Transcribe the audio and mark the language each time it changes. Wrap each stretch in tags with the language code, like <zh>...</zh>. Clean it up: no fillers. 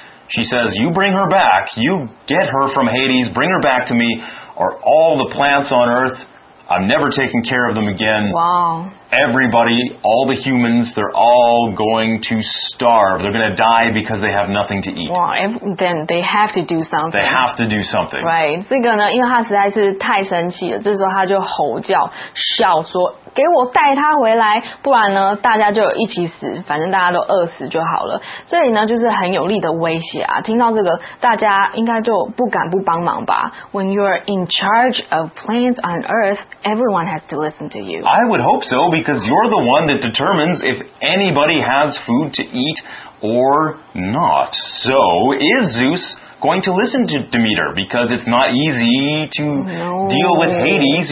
<en>She says, you bring her back, you get her from Hades, bring her back to me or all the plants on Earth, I'm never taking care of them again. Wow. Everybody, all the humans, they're all going to starve. They're going to die because they have nothing to eat. Wow, then they have to do something. They have to do something. Right.</en> <zh>这个呢，因为他实在是太生气了，这时候他就吼叫，笑说，给我带他回来，不然呢，大家就一起死，反正大家都饿死就好了。这里呢，就是很有力的威胁啊。听到这个，大家应该就不敢不帮忙吧。</zh> <en>When you're in charge of plants on Earth, everyone has to listen to you. I would hope so. Because you're the one that determines if anybody has food to eat or not. So, is Zeus going to listen to Demeter? Because it's not easy to deal with Hades.</en>